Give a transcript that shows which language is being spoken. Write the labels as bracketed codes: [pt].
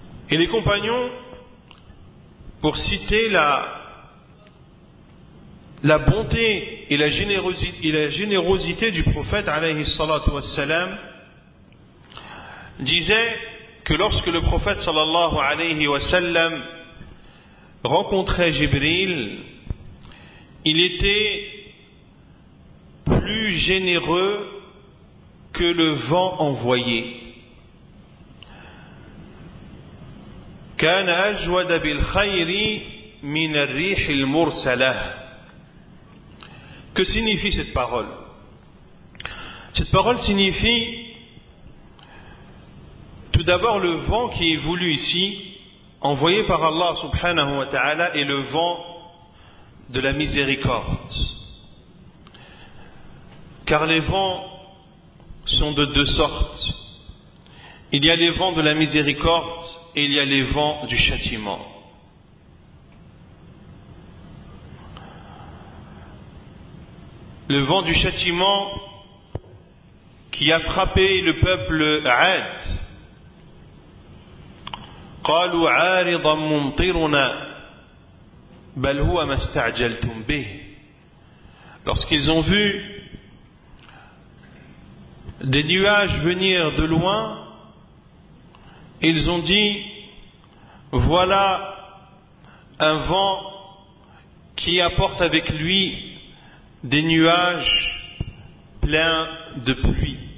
[fr] Et les compagnons, pour citer la bonté et la générosité du prophète alayhi salatu wa sallam, disait que lorsque le prophète sallallahu alayhi wa sallam rencontrait Jibril, il était plus généreux que le vent envoyé. [ar] كان أجود بالخير من الريح المرسلة. [fr] Que signifie cette parole? Cette parole signifie tout d'abord, le vent qui est voulu ici, envoyé par Allah subhanahu wa ta'ala, est le vent de la miséricorde. Car les vents sont de deux sortes. Il y a les vents de la miséricorde et il y a les vents du châtiment. Le vent du châtiment qui a frappé le peuple Ad. [ar] قالوا عارضا ممطرنا بل هو ما استعجلتم به. [fr] Lorsqu'ils ont vu des nuages venir de loin, ils ont dit, voilà un vent qui apporte avec lui des nuages pleins de pluie.